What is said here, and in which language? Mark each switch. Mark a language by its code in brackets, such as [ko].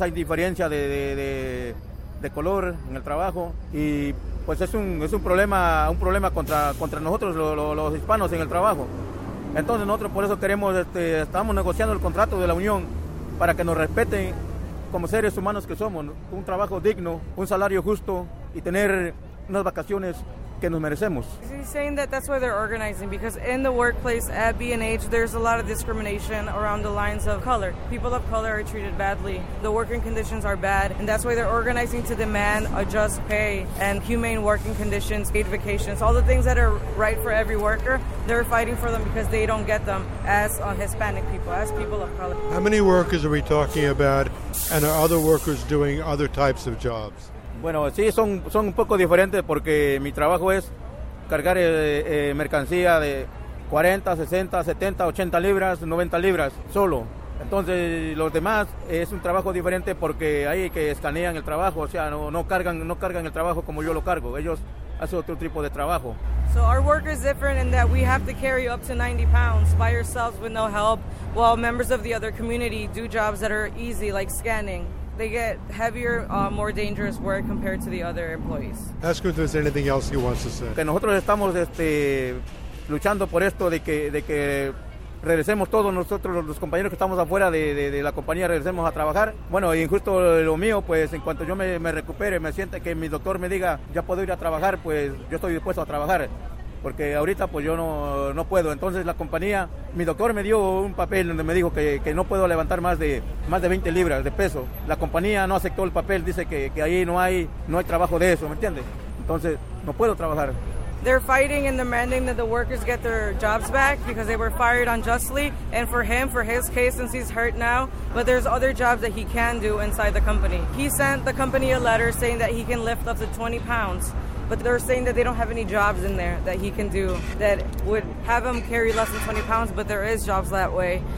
[es] Hay diferencia de color en el trabajo y pues es un problema contra nosotros los hispanos en el trabajo. Entonces nosotros por eso queremos estamos negociando el contrato de la unión para que nos respeten como seres humanos que somos, ¿no? Un trabajo digno, un salario justo y tener unas vacaciones que nos merecemos. [en] He's saying that that's why they're organizing, because in the workplace at B&H there's a lot of discrimination around the lines of color. People of color are treated badly. The working conditions are bad, and that's why they're organizing to demand a just pay and humane working conditions, paid vacations, all the things that are right for every worker. They're fighting for them because they don't get them as Hispanic people, as people of color. How many workers are we talking about, and are other workers doing other types of jobs? [es] Bueno, sí, son un poco diferentes porque mi trabajo es cargar mercancía de 40, 60, 70, 80 libras, 90 libras solo. Entonces, los demás es un trabajo diferente porque hay que escanean el trabajo, o sea, no cargan el trabajo como yo lo cargo. Ellos hacen otro tipo de trabajo. [en] So our work is different in that we have to carry up to 90 pounds by ourselves with no help, while members of the other community do jobs that are easy, like scanning. they get heavier, more dangerous work compared to the other employees. Ask him if there's anything else he wants to say. [es] Que nosotros estamos luchando por esto de que regresemos todos nosotros, los compañeros que estamos afuera de la compañía, regresemos a trabajar. Bueno, y justo lo mío, pues en cuanto yo me recupere, me siente que mi doctor me diga, ya puedo ir a trabajar, pues yo estoy dispuesto a trabajar. Porque ahorita pues yo no puedo. Entonces la compañía, mi doctor me dio un papel donde me dijo que no puedo levantar más de 20 libras de peso. La compañía no aceptó el papel, dice que ahí no hay trabajo de eso, ¿me entiendes? Entonces no puedo trabajar. [en] They're fighting and demanding that the workers get their jobs back because they were fired unjustly. And for him, for his case, since he's hurt now, but there's other jobs that he can do inside the company. He sent the company a letter saying that he can lift up to 20 pounds, but they're saying that they don't have any jobs in there that he can do that would have him carry less than 20 pounds, but there is jobs that way.